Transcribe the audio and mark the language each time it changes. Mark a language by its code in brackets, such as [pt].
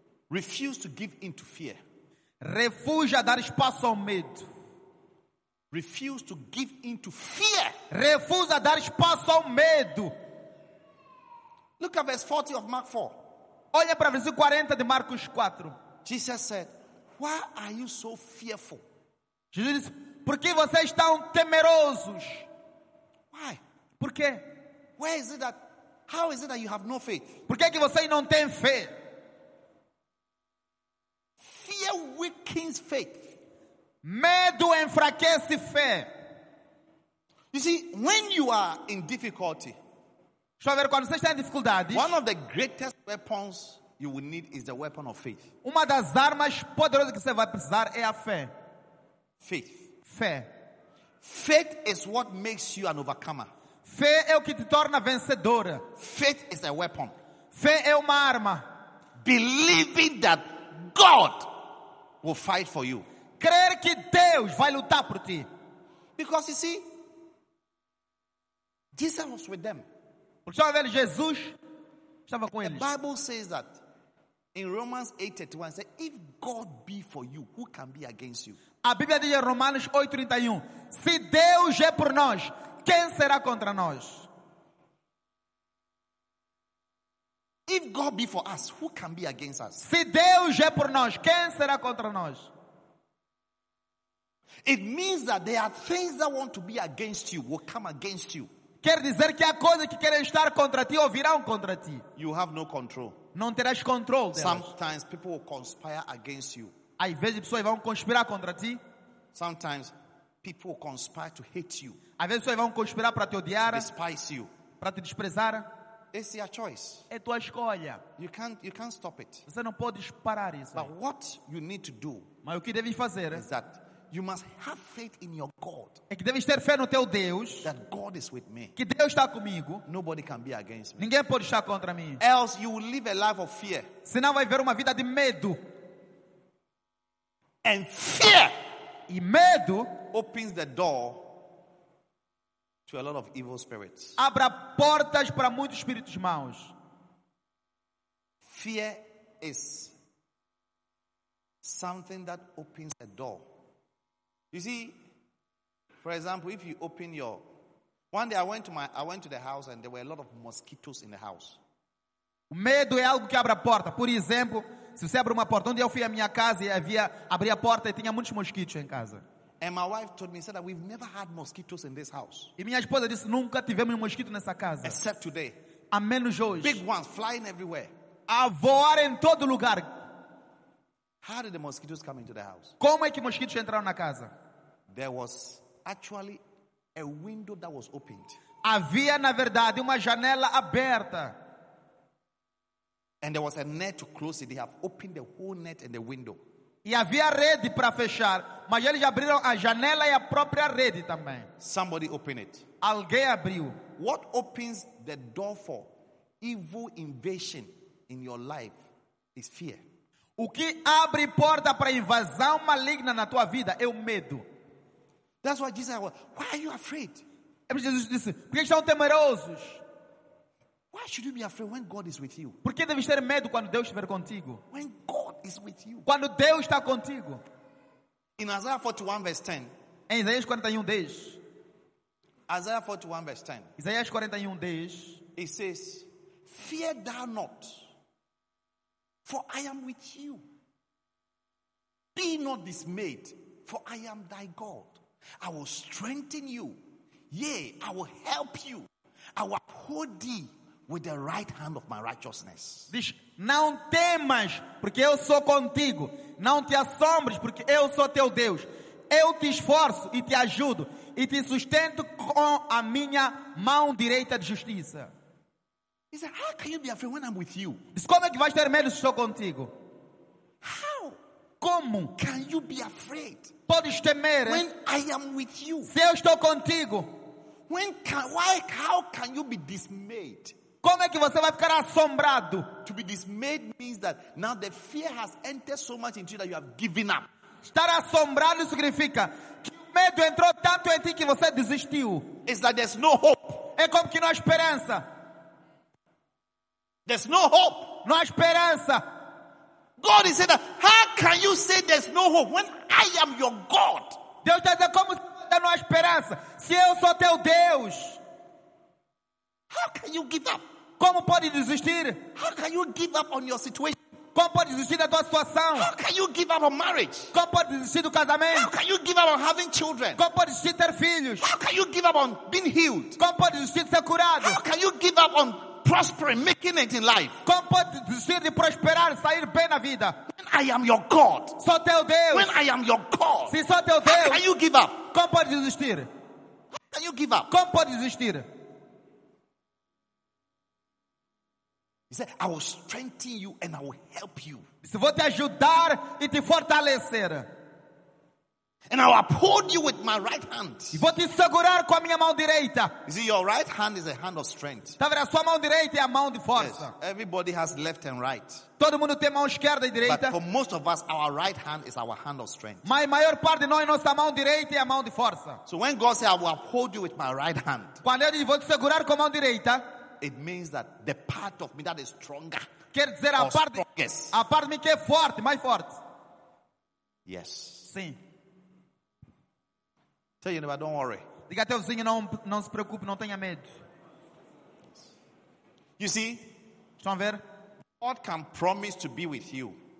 [en] Refuse to give in to fear. [pt] Refuja dar espaço ao medo. [en] Refuse to give in to fear. [pt] Refusa dar espaço ao medo. [en] Look at verse 40 of Mark 4. [pt] Olha para o versículo 40 de Marcos 4. [en] Jesus said, why are you so fearful? [pt] Jesus disse, por que vocês estão temerosos? [en] Why? [pt] Por quê? [en] Where is it that, how is it that you have no faith? [pt] Por que é que vocês não têm fé? [en] Fear weakens faith. [pt] Medo enfraquece fé. [en] You see, when you are in difficulty, [pt] deixa eu ver, quando você está em dificuldades, [en] one of the greatest weapons you will need is the weapon of faith. [pt] Uma das armas poderosas que você vai precisar é a fé. [en] Faith. [pt] Fé. [en] Faith is what makes you an overcomer. [pt] Fé é o que te torna vencedora. [en] Faith is a weapon. [pt] Fé é uma arma. [en] Believing that God will fight for you. [pt] Crer que Deus vai lutar por ti. [en] Because you see, Jesus was with them. [pt] Porque estava vendo Jesus, estava com eles. [en] The Bible says that in Romans 8:31, says, if God be for you, who can be against you? [pt] A Bíblia diz em Romanos 8:31, se Deus é por nós, quem será contra nós? [en] If God be for us, who can be against us? [pt] Se Deus é por nós, quem será contra nós? [en] It means that there are things that want to be against you, will come against you. [pt] Quer dizer que há coisas que querem estar contra ti ou virão contra ti. [en] You have no control. [pt] Não terás controle. [en] Sometimes people will conspire against you. [pt] Às vezes pessoas vão conspirar contra ti. [en] Sometimes people will conspire to hate you. [pt] Às vezes pessoas vão conspirar para te odiar. [en] Despise you. [pt] Para te desprezar. [en] It's your choice. [pt] É tua escolha. [en] You can't stop it. [pt] Você não pode parar isso. [en] But what you need to do? [pt] Mas o que deves fazer? [en] Is that you must have faith in your God. [pt] É que deves ter fé no teu Deus. [en] That God is with me. [pt] Que Deus está comigo. [en] Nobody can be against me. [pt] Ninguém pode estar contra mim. [en] Else you will live a life of fear. [pt] Senão vai viver uma vida de medo. [en] And fear. [pt] E medo [en] opens the door to a lot of evil spirits. [pt] Abra portas para muitos espíritos maus. [en] Fear is something that opens a door. You see, for example, if you open your, one day I went to the house and there were a lot of mosquitoes in the house. [pt] O medo é algo que abre a porta. Por exemplo, se você abre uma porta, onde eu fui à minha casa e havia abri a porta e tinha muitos mosquitos em casa. [en] And my wife told me, said that we've never had mosquitoes in this house. [pt] E minha esposa disse, nunca tivemos mosquito nessa casa. [en] Except today. [pt] A menos hoje. [en] Big ones flying everywhere. [pt] A voar em todo lugar. [en] How did the mosquitoes come into the house? [pt] Como é que mosquitos entraram na casa? [en] There was actually a window that was opened. [pt] Havia, na verdade, uma janela aberta. [en] And there was a net to close it. They have opened the whole net and the window. [pt] E havia rede para fechar, mas eles abriram a janela e a própria rede também. [en] Somebody open it. [pt] Alguém abriu. [en] What opens the door for evil invasion in your life is fear. [pt] O que abre porta para invasão maligna na tua vida é o medo. [en] That's why Jesus said, "Why are you afraid?" [pt] Jesus disse, "Por que estão temerosos?" [en] Why should you be afraid when God is with you? [pt] Por que deves ter medo quando Deus estiver contigo? [en] When God is with you. [pt] Quando Deus está contigo. [en] In Isaiah 41 verse 10. [pt] Em Isaías 41 10. [en] Isaiah 41 verse 10. [pt] Isaías 41 10. [en] It says, "Fear thou not, for I am with you. Be not dismayed, for I am thy God. I will strengthen you. Yea, I will help you. I will uphold thee with the right hand of my righteousness." [pt] Diz, não temas, porque eu sou contigo. Não te assombres, porque eu sou teu Deus. Eu te esforço e te ajudo e te sustento com a minha mão direita de justiça. [en] He said, "How can you be afraid when I'm with you?" [pt] Diz, como é que vais ter medo se estou contigo? [en] How? [pt] Como? [en] Can you be afraid? [pt] Podes temer? [en] When I am with you. [pt] Se eu estou contigo. [en] When can, why, how can you be dismayed? [pt] Como é que você vai ficar assombrado? [en] To be dismayed means that now the fear has entered so much into you that you have given up. [pt] Estar assombrado significa que o medo entrou tanto em ti que você desistiu. [en] It's like there's no hope. [pt] É como que não há esperança. [en] There's no hope. [pt] Não há esperança. [en] God is saying that, how can you say there's no hope when I am your God? [pt] Deus está dizendo, como você não há esperança se eu sou teu Deus? [en] How can you give up? [pt] Como pode desistir? [en] How can you give up on your situation? [pt] Como pode desistir da tua situação? [en] How can you give up on marriage? [pt] Como pode desistir do casamento? [en] How can you give up on having children? [pt] Como pode desistir de ter filhos? [en] How can you give up on being healed? [pt] Como pode desistir de ser curado? [en] How can you give up on prospering, making it in life? [pt] Como pode desistir de prosperar, sair bem na vida? [en] When I am your God. [pt] Sou teu Deus. [en] When I am your God. [pt] Se sou teu Deus. [en] How can you give up? [pt] Como pode desistir? [en] How can you give up? [pt] Como pode desistir? [en] He said, "I will strengthen you and I will help you. [pt] Se vou te ajudar e te fortalecer. [en] And I will uphold you with my right hand." [pt] E vou te segurar com a minha mão direita. [en] You see, your right hand is a hand of strength. [pt] Tá vendo? A sua mão direita é a mão de força. [en] Yes, everybody has left and right. [pt] Todo mundo tem mão esquerda e direita. [en] But for most of us, our right hand is our hand of strength. [pt] Mas a maior parte de nós, nossa mão direita é a mão de força. [en] So when God says, "I will uphold you with my right hand." [pt] Quando ele diz, vou te segurar com a mão direita. [en] It means that the part of me that is stronger. [pt] Quer dizer, a parte de mim que é forte, mais forte. [en] Yes. [pt] Sim. [en] Tell your neighbor, don't worry. [pt] Diga teu vizinho, não se preocupe, não tenha medo. [en] You see? [pt] Estão a ver? [en] God can promise to be with you.